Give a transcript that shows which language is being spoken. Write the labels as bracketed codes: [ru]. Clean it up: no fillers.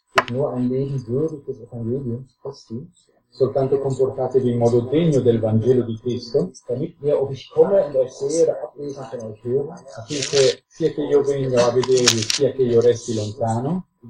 [de] Nur ein Leben würdig des Evangeliums, Christi. [it] Soltanto comportatevi in modo degno del Vangelo di Cristo, [de] damit ihr, ob ich komme und euch sehe, oder abwesend von euch höre, [it] affinché sia che io venga a vedervi, sia che io resti lontano,